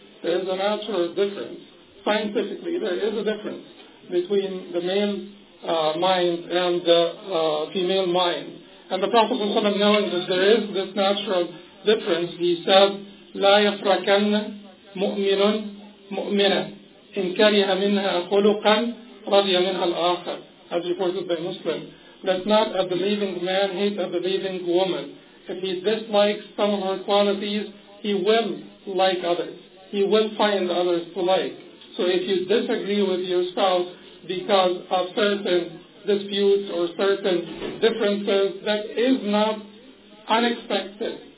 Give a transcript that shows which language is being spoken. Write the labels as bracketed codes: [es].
[en] There is a natural difference. Scientifically, there is a difference between the male mind and the female mind. And the Prophet ﷺ, knowing that there is this natural difference, he said, [ar] لا يتركن مؤمن مؤمنا إن كره منها خلقا رضي منها الآخر. [en] As reported by Muslim, let not a believing man hate a believing woman. If he dislikes some of her qualities, he will like others. He will find others to like. So if you disagree with your spouse because of certain disputes or certain differences, that is not unexpected.